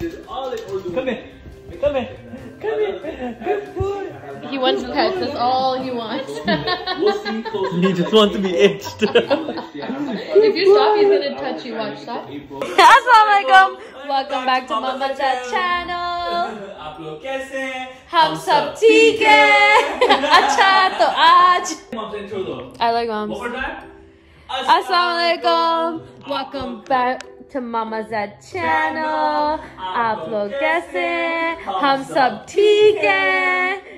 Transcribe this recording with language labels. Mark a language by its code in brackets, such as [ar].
[en] Come here. Come here. Come here. He wants pets, that's all he wants. He just wants to be itched. If you stop, he's gonna touch you. Watch, stop. Assalamualaikum. Welcome back to BodmonZaid channel. [ur] Aap log kaise? ہم سب ٹھیک ہے۔ اچھا تو آج۔ [en] I like moms. One more time. [ur] Assalamualaikum. [en] Welcome back to BodmonZaid channel. [ur] آپ لوگ کیسے؟ ہم سب ٹھیک ہے۔